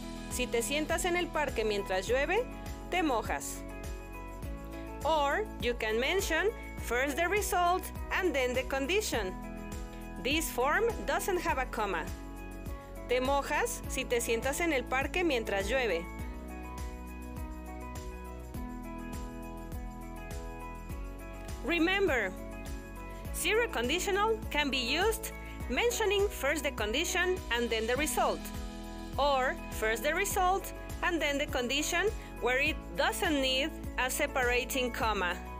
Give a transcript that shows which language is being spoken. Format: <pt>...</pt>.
<es>Si te sientas en el parque mientras llueve, te mojas.</es> <en>Or you can mention first the result and then the condition. This form doesn't have a comma.</en> <es>Te mojas si te sientas en el parque mientras llueve.</es> <en>Remember, zero conditional can be used mentioning first the condition and then the result, or first the result and then the condition where it doesn't need a separating comma.</en>